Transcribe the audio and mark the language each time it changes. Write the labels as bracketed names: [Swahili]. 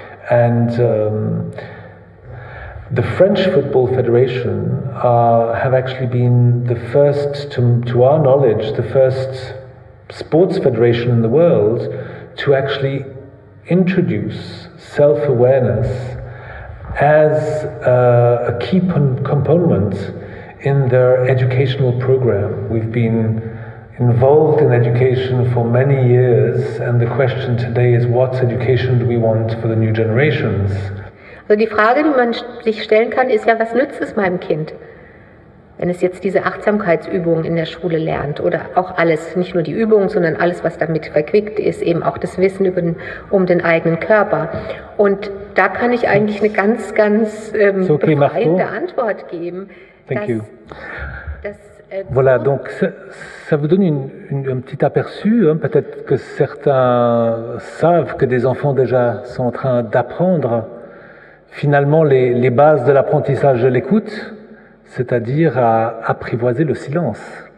[English] And the French Football Federation have actually been the first, to our knowledge, the first sports federation in the world to actually introduce self-awareness as a key component in their educational program. We've been involved in education for many years, and the question today is, what education do we want for the new generations? [German] Also die Frage, die man sich stellen kann, ist ja, was nützt es meinem Kind, wenn es jetzt diese Achtsamkeitsübungen in der Schule lernt oder auch alles, nicht nur die Übungen, sondern alles, was damit verquickt ist, eben auch das Wissen über um den eigenen Körper. Und da kann ich eigentlich eine ganz, ganz befreiende Antwort geben. [English] Thank you. [French] Voilà, donc ça vous donne un petit aperçu, hein. Peut-être que certains savent que des enfants déjà sont en train d'apprendre finalement les bases de l'apprentissage de l'écoute, c'est-à-dire à apprivoiser le silence.